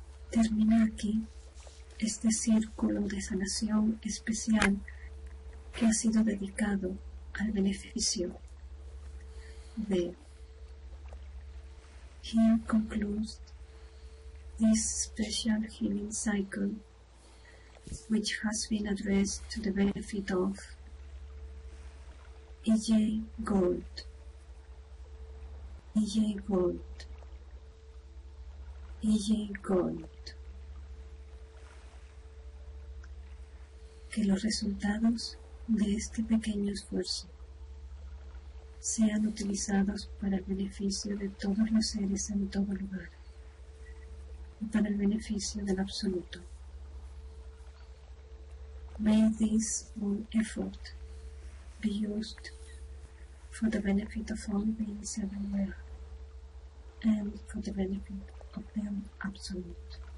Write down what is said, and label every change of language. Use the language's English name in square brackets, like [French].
[Spanish] Termina aquí este círculo de sanación especial que ha sido dedicado al beneficio de. [English] Here concludes this special healing cycle, which has been addressed to the benefit of EJ Gold. EJ Gold. EJ Gold. [Spanish] Que los resultados de este pequeño esfuerzo sean utilizados para el beneficio de todos los seres en todo lugar y para el beneficio del absoluto. [English] May this whole effort be used for the benefit of all beings everywhere and for the benefit of the absolute.